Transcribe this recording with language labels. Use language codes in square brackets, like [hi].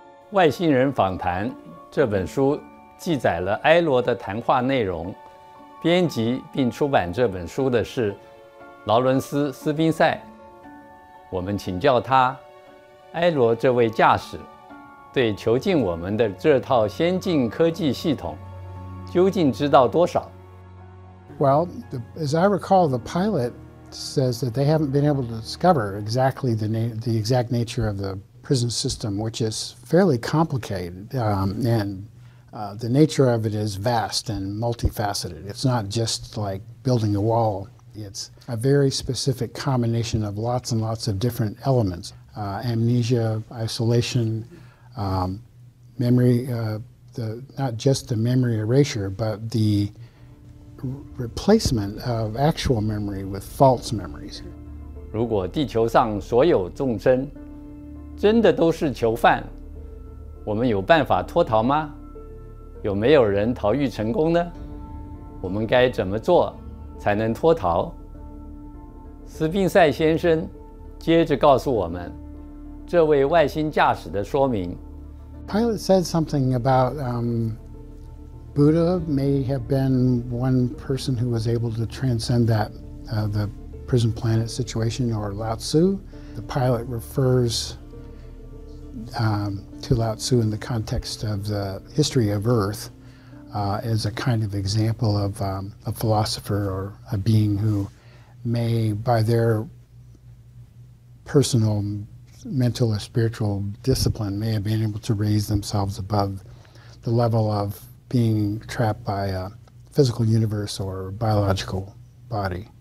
[zh] 外星人访谈这本书记载了埃罗的谈话内容，编辑并出版这本书的是劳伦斯·斯宾塞。我们请教他，埃罗这位驾驶对囚禁我们的这套先进科技系统究竟知道多少？ [en] Well, as I recall, the pilot says that they haven't been able to discover exactly the exact nature of the prison system, which is fairly complicated, the nature of it is vast and multifaceted. It's not just like building a wall. It's a very specific combination of lots and lots of different elements, amnesia, isolation,not just the memory erasure, but the replacement of actual memory with false memories. [zh] 如果地球上所有众生真的都是囚犯，我们有办法脱逃吗？有没有人逃狱成功呢？我们该怎么做才能脱逃？斯宾塞先生接着告诉我们，这位外星驾驶的说明。 [en] Pilot said something about Buddha may have been one person who was able to transcend that, the prison planet situation, or Lao Tzu. The pilot refers to Lao Tzu in the context of the history of Earth as a kind of example of a philosopher or a being who may, by their personal mental or spiritual discipline, may have been able to raise themselves above the level of being trapped by a physical universe or biological body.